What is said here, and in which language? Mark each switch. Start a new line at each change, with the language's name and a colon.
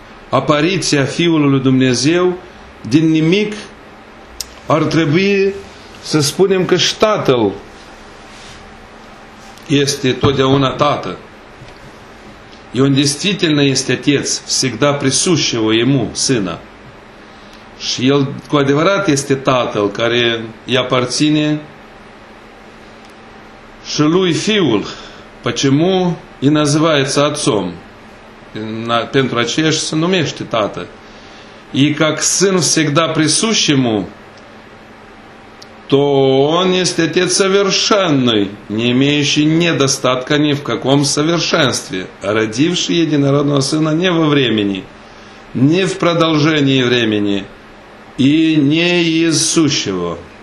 Romanian: apariția Fiului lui Dumnezeu din nimic ar trebui să spunem că și Tatăl este totdeauna Tată.
Russian: И он действительно есть Отец, всегда присущего Ему, Сына.
Romanian: Și El cu adevărat este Tatăl care îi aparține și Lui Fiul,
Russian: почему и называется Отцом.
Romanian: Pentru aceeași se numește Tată.
Russian: И как Сын всегда присущ Ему, то Он есть Отец совершенный, не имеющий недостатка ни в каком совершенстве, родивший Единородного Сына не во времени, не в продолжении времени и не из сущего.